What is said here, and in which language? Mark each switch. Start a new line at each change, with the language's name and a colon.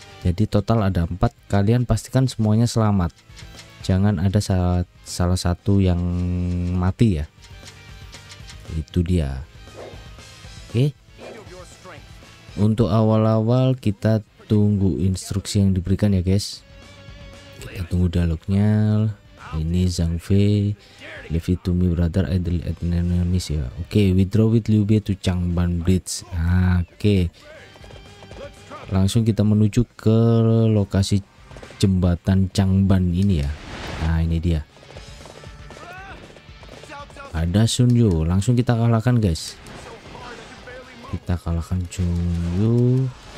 Indonesian: Jadi total ada 4, kalian pastikan semuanya selamat. Jangan ada salah satu yang mati ya. Itu dia. Oke. Untuk awal-awal kita tunggu instruksi yang diberikan ya guys. Kita tunggu dialognya. Ini Zhang Fei.
English: Leave it to me brother, I deal at enemies ya. Oke, withdraw with Liu Bei to Changban Bridge.
Indonesian: Oke. Langsung kita menuju ke lokasi jembatan Changban ini ya. Nah ini dia. Ada Sun Yu, langsung kita kalahkan guys. Kita kalahkan Sun Yu.